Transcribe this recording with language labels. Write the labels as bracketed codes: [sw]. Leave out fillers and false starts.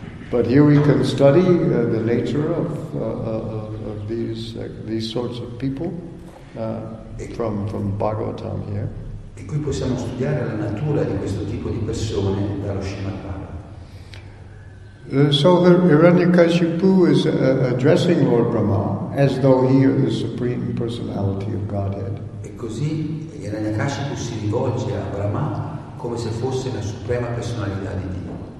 [en] But here we can study the nature of these sorts of people from Bhagavatam here. [it] E qui possiamo studiare la natura di questo tipo di persone dallo Srimad Bhagavatam. [en] So the Hiranyakashipu is addressing Lord Brahma as though he is the Supreme Personality of Godhead. [it] E così Hiranyakashipu si rivolge a Brahma come se fosse la suprema personalità di Dio.